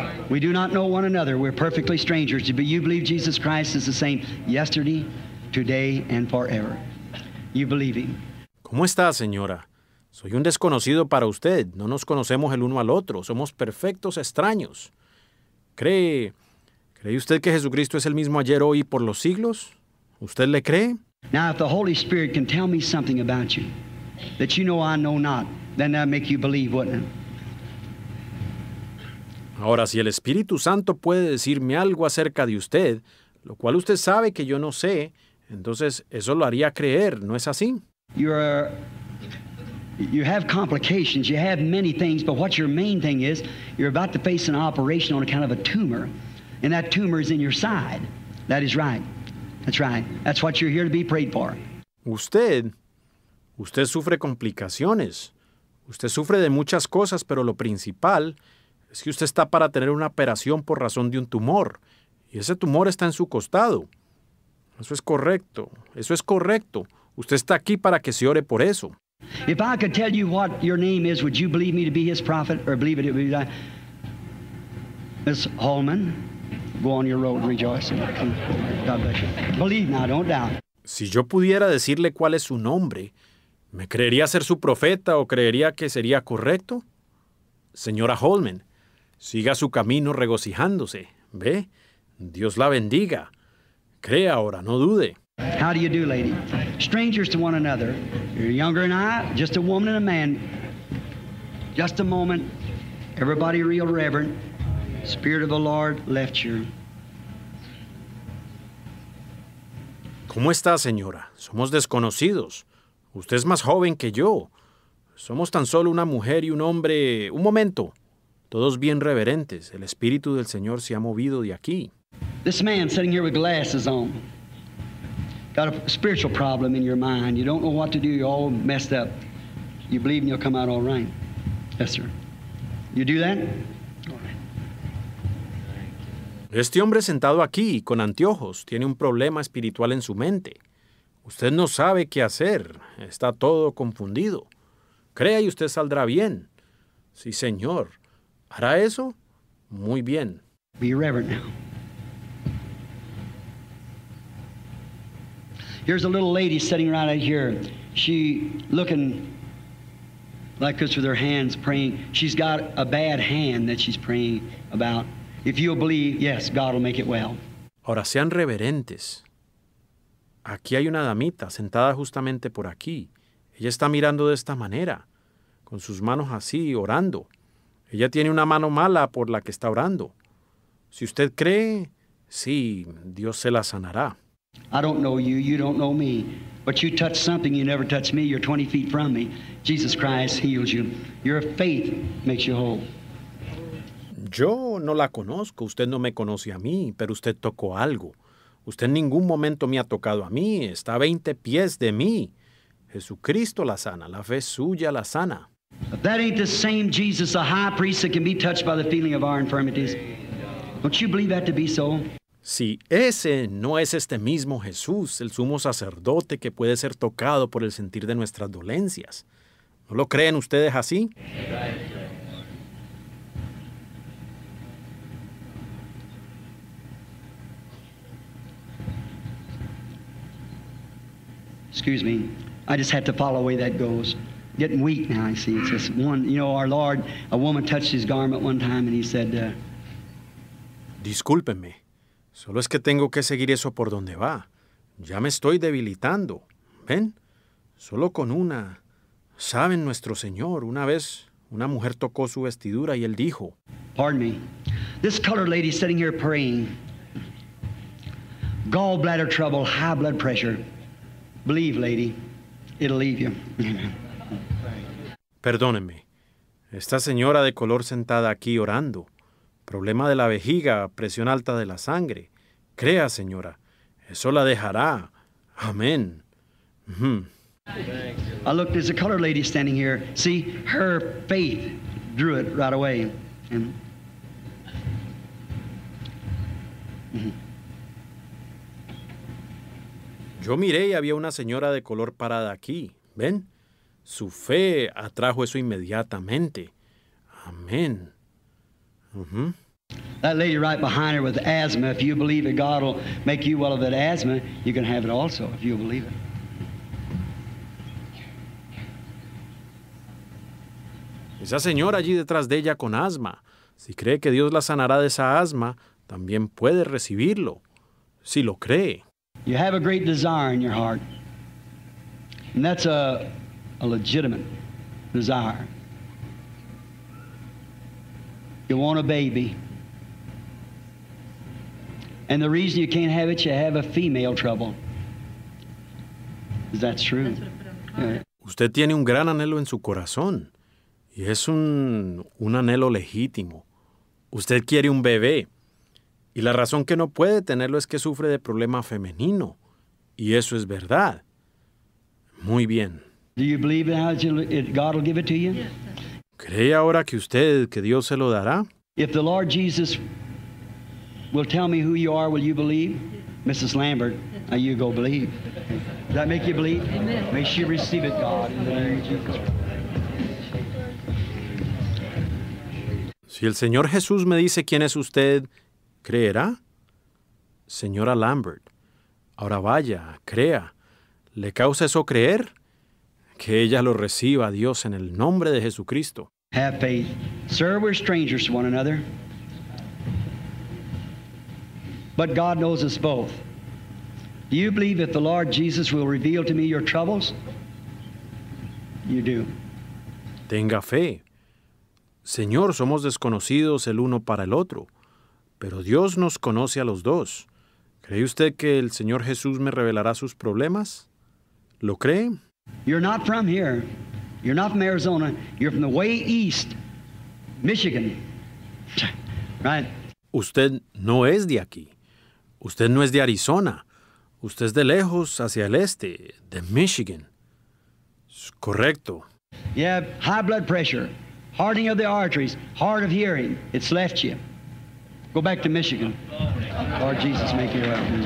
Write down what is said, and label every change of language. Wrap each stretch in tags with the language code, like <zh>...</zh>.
<en>We do not know one another. We're perfectly strangers. But you believe Jesus Christ is the same yesterday, today, and forever. You believe him.</en> <es>¿Cómo está, señora? Soy un desconocido para usted. No nos conocemos el uno al otro. Somos perfectos extraños. ¿Cree usted que Jesucristo es el mismo ayer, hoy y por los siglos? ¿Usted le cree?</es> <en>Now, if the Holy Spirit can tell me something about you that you know I know not, then that make you believe, wouldn't it?</en> <es>Ahora, si el Espíritu Santo puede decirme algo acerca de usted, lo cual usted sabe que yo no sé, entonces eso lo haría creer, ¿no es así?</es> <en>You have complications, you have many things, but what your main thing is, you're about to face an operation on account of a tumor, and that tumor is in your side. That is right. That's right. That's what you're here to be prayed for.</en> <es>Usted sufre complicaciones. Usted sufre de muchas cosas, pero lo principal es que usted está para tener una operación por razón de un tumor, y ese tumor está en su costado. Eso es correcto. Eso es correcto. Usted está aquí para que se ore por eso.</es> <en>If I could tell you what your name is, would you believe me to be his prophet, or believe it, it would be like, Miss Holman, go on your road, rejoice, and come, God bless you. Believe now, don't doubt.</en> <es>Si yo pudiera decirle cuál es su nombre, ¿me creería ser su profeta o creería que sería correcto? Señora Holman, siga su camino regocijándose, ¿ve? Dios la bendiga. Crea ahora, no dude.</es> <en>How do you do, lady? Strangers to one another. You're younger than I, just a woman and a man. Just a moment. Everybody real reverent. Spirit of the Lord left you.</en> <es>¿Cómo está, señora? Somos desconocidos. Usted es más joven que yo. Somos tan solo una mujer y un hombre. Un momento. Todos bien reverentes. El Espíritu del Señor se ha movido de aquí.</es> <en>This man sitting here with glasses on. Got a spiritual problem in your mind. You don't know what to do. You're all messed up. You believe and you'll come out all right. Yes, sir. You do that?</en> <es>Este hombre sentado aquí con anteojos tiene un problema espiritual en su mente. Usted no sabe qué hacer. Está todo confundido. Crea y usted saldrá bien. Sí, señor. ¿Hará eso? Muy bien.</es> <en>Be reverent now. Here's a little lady sitting right out here. She looking like this with her hands praying. She's got a bad hand that she's praying about. If you'll believe, yes, God will make it well.</en> <es>Ahora, sean reverentes. Aquí hay una damita sentada justamente por aquí. Ella está mirando de esta manera, con sus manos así, orando. Ella tiene una mano mala por la que está orando. Si usted cree, sí, Dios se la sanará.</es> <en>I don't know you. You don't know me. But you touch something, you never touch me. You're 20 feet from me. Jesus Christ heals you. Your faith makes you whole.</en> <es>Yo no la conozco. Usted no me conoce a mí, pero usted tocó algo. Usted en ningún momento me ha tocado a mí. Está 20 pies de mí. Jesucristo la sana. La fe suya la sana.</es> <en>If that ain't the same Jesus, the high priest that can be touched by the feeling of our infirmities. Don't you believe that to be so?</en> <es>Si ese no es este mismo Jesús, el sumo sacerdote que puede ser tocado por el sentir de nuestras dolencias, ¿no lo creen ustedes así?</es> <en>Excuse me, I just have to follow the way that goes. Getting weak now, I see. It's just one, you know, our Lord, a woman touched his garment one time and he said,</en> <es>Discúlpenme, solo es que tengo que seguir eso por donde va. Ya me estoy debilitando, ¿ven? Solo con una, saben nuestro Señor, una vez una mujer tocó su vestidura y él dijo,</es> <en>Pardon me, this colored lady sitting here praying, gallbladder trouble, high blood pressure, believe, lady, it'll leave you.</en> <es>Perdónenme. Esta señora de color sentada aquí orando. Problema de la vejiga, presión alta de la sangre. Crea, señora. Eso la dejará. Amén.</es> <en>I looked, there's a colored lady standing here. See, her faith drew it right away.</en> <es>Yo miré y había una señora de color parada aquí. ¿Ven? Su fe atrajo eso inmediatamente. Amén.</es> <en>That lady right behind her with asthma, if you believe that God will make you well of that asthma, you can have it also, if you believe it.</en> <es>Esa señora allí detrás de ella con asma, si cree que Dios la sanará de esa asma, también puede recibirlo, si lo cree.</es> <en>You have a great desire in your heart. And that's a legitimate desire. You want a baby. And the reason you can't have it, you have a female trouble. Is that true? Yeah.</en> <es>Usted tiene un gran anhelo en su corazón. Y es un anhelo legítimo. Usted quiere un bebé. Y la razón que no puede tenerlo es que sufre de problema femenino. Y eso es verdad. Muy bien.</es> <en>Do you believe that God will give it to you?</en> <es>¿Cree ahora que usted, que Dios se lo dará?</es> <en>If the Lord Jesus will tell me who you are, will you believe? Mrs. Lambert, now you go believe. Does that make you believe? Amen. May she receive it, God, in the name of Jesus.</en> <es>Si el Señor Jesús me dice quién es usted, ¿creerá? Señora Lambert, ahora vaya, crea. ¿Le causa eso creer? Que ella lo reciba a Dios en el nombre de Jesucristo.</es> <en>Have faith. Sir, we're strangers to one another. But God knows us both. Do you believe if the Lord Jesus will reveal to me your troubles? You do.</en> <es>Tenga fe. Señor, somos desconocidos el uno para el otro, pero Dios nos conoce a los dos. ¿Cree usted que el Señor Jesús me revelará sus problemas? ¿Lo cree?</es> <en>You're not from here. You're not from Arizona. You're from the way east, Michigan. Right?</en> <es>Usted no es de aquí. Usted no es de Arizona. Usted es de lejos, hacia el este, de Michigan. Correcto.</es> <en>You have high blood pressure, hardening of the arteries, hard of hearing. It's left you. Go back to Michigan. Lord Jesus, make you well.</en>